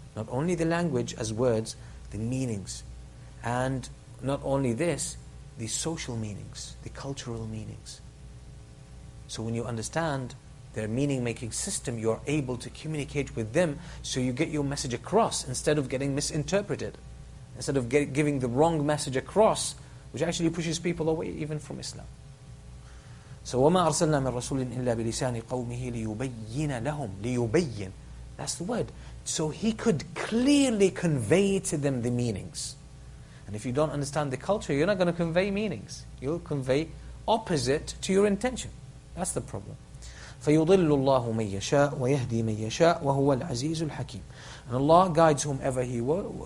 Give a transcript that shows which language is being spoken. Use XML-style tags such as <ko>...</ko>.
<en>Not only the language as words, the meanings. And not only this, the social meanings, the cultural meanings. So when you understand their meaning-making system, you're able to communicate with them so you get your message across instead of getting misinterpreted. Instead of giving the wrong message across, which actually pushes people away even from Islam.</en> <ar>So وَمَا أَرْسَلْنَا مِنْ رَسُولٍ إِلَّا بِلِسَانِ قَوْمِهِ لِيُبَيِّنَ لَهُمْ لِيُبَيِّنَ</ar> <en>That's the word. So he could clearly convey to them the meanings. And if you don't understand the culture, you're not going to convey meanings. You'll convey opposite to your intention. That's the problem.</en> <ar>فَيُضِلُّ اللَّهُ مَنْ يَشَاءُ وَيَهْدِي مَنْ يَشَاءُ وَهُوَ الْعَزِيزُ الْحَكِيمُ</ar> <en>And Allah guides whomever He will.</en>